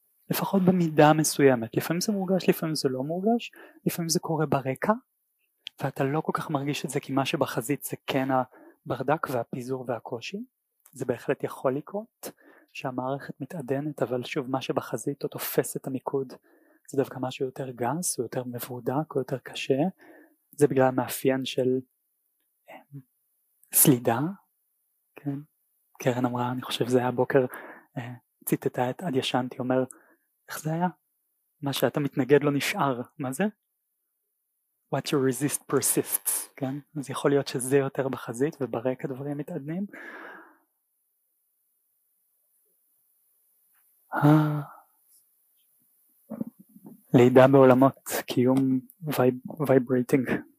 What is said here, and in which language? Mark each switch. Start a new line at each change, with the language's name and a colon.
Hebrew: לפחות במידה מסוימת, לפעמים זה מורגש, לפעמים זה לא מורגש, לפעמים זה קורה ברקע, ואתה לא כל כך מרגיש את זה, כי מה שבחזית זה כן הברדק והפיזור והקושי, זה בהחלט יכול לקרות, שהמערכת מתעדנת, אבל שוב, מה שבחזית או תופס את המיקוד, זה דווקא משהו יותר גס, או יותר מבודק, או יותר קשה, זה בגלל המאפיין של סלידה, כן? קרן אמרה, אני חושב זה היה בוקר, ציטטה את אדיאשנטי, אומר, איך זה היה? מה שאתה מתנגד לא נשאר, מה זה?
English: What you resist persists, כן?
Hebrew: אז יכול להיות שזה יותר בחזית וברקע דברים מתעדנים. לידה בעולמות, קיום vibrating.